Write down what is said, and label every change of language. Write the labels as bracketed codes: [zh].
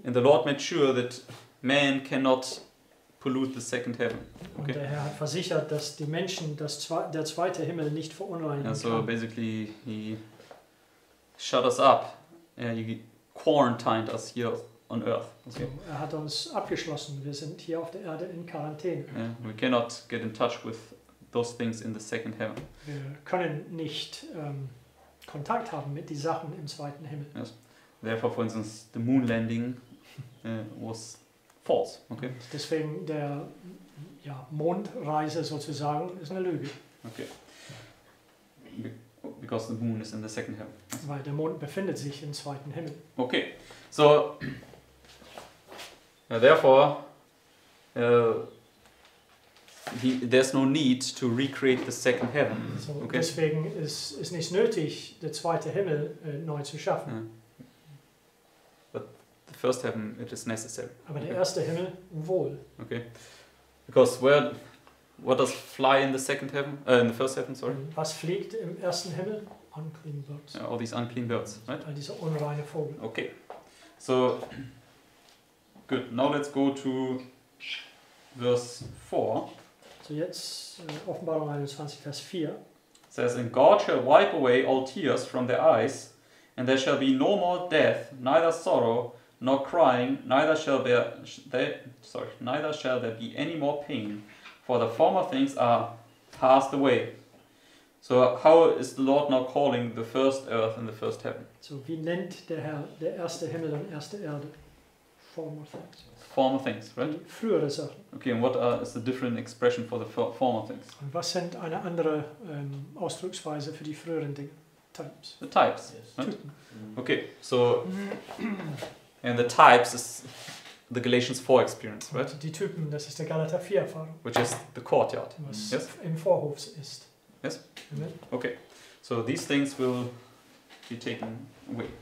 [en] And the Lord made sure that man cannot pollute the second heaven. Okay. [de] Und der Herr hat versichert, dass die Menschen der zweite Himmel nicht verunreinigen kann. [en] Yeah, so basically he shut us up. Yeah, he quarantined us here. On earth. Okay. [de] So, er hat uns abgeschlossen. Wir sind hier auf der Erde in Quarantäne. [en] Yeah, we cannot get in touch with those things in the second heaven. [de] Wir können nicht Kontakt haben mit die Sachen im zweiten Himmel. [en] Yes. Therefore, for instance, the moon landing was false. Okay. [de] Deswegen der ja, Mondreise sozusagen ist eine Lüge. [en] Okay. Because the moon is in the second heaven. [de] Weil der Mond befindet sich im zweiten Himmel. [en] Okay. So, therefore, there's no need to recreate the second heaven. So, okay. [de] Deswegen ist nicht nötig, der zweite Himmel neu zu schaffen. [en] But the first heaven, it is necessary. [de] Aber okay. Der erste Himmel, wohl. [en] Okay. Because where... What does fly in the second heaven? In the first heaven, sorry. [de] Was fliegt im ersten Himmel? [en] Unclean birds. Yeah, all these unclean birds, right? [de] All diese unreine Vögel. [en] Okay. So, good. Now let's go to verse 4. [de] So jetzt, Offenbarung 21, Vers 4. [en] It says, and God shall wipe away all tears from their eyes, and there shall be no more death, neither sorrow, nor crying, neither shall there be any more pain, for the former things are passed away. So how is the Lord now calling the first earth and the first heaven? [de] So wie nennt der Herr der erste Himmel und erste Erde? [en] Former things. Former things, right? [de] Die frühere Sachen. [en] Okay, and what is a different expression for the former things? [de] Und was sind eine andere Ausdrucksweise für die früheren Dinge? [en] Types. The types, yes. Right? Okay, so and the types is the Galatians 4 experience, right? [de] Die Typen, das ist der Galater 4 Erfahrung. [en] Which is the courtyard. [de] Was [en] yes? [de] Im Vorhof ist. [en] Yes? Amen. Okay. So these things will be taken away.